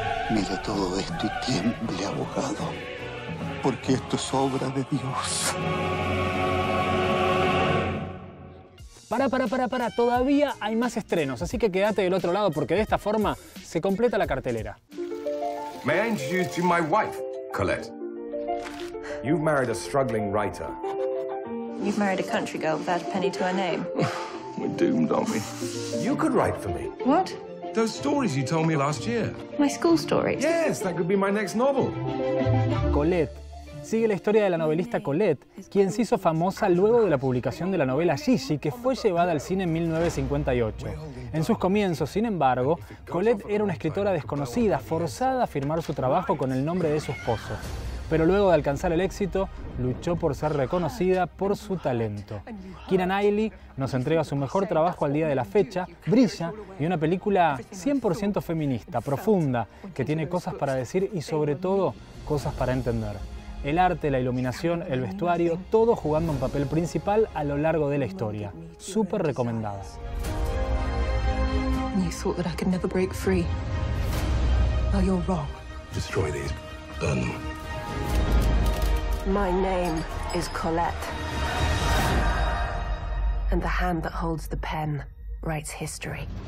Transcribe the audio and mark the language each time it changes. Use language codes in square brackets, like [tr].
[es] Mire todo esto y tiemble, abogado, porque esto es obra de Dios. Para, todavía hay más estrenos, así que quédate del otro lado porque de esta forma se completa la cartelera. [en] May I introduce you to my wife, Colette. You've married a struggling writer. You've married a country girl without a penny to her name. We're doomed, aren't we? You could write for me. What? Those stories you told me last year. My school stories? Yes, that could be my next novel. Colette. [es] Sigue la historia de la novelista Colette, quien se hizo famosa luego de la publicación de la novela Gigi, que fue llevada al cine en 1958. En sus comienzos, sin embargo, Colette era una escritora desconocida, forzada a firmar su trabajo con el nombre de su esposo. Pero luego de alcanzar el éxito, luchó por ser reconocida por su talento. Keira Knightley nos entrega su mejor trabajo al día de la fecha, brilla y una película 100% feminista, profunda, que tiene cosas para decir y, sobre todo, cosas para entender. El arte, la iluminación, el vestuario, todo jugando un papel principal a lo largo de la historia. Súper recomendada. [en] You thought that I could never break free. Well, you're wrong. Destroy these. Burn them. My name is Colette. And the hand that holds the pen writes history.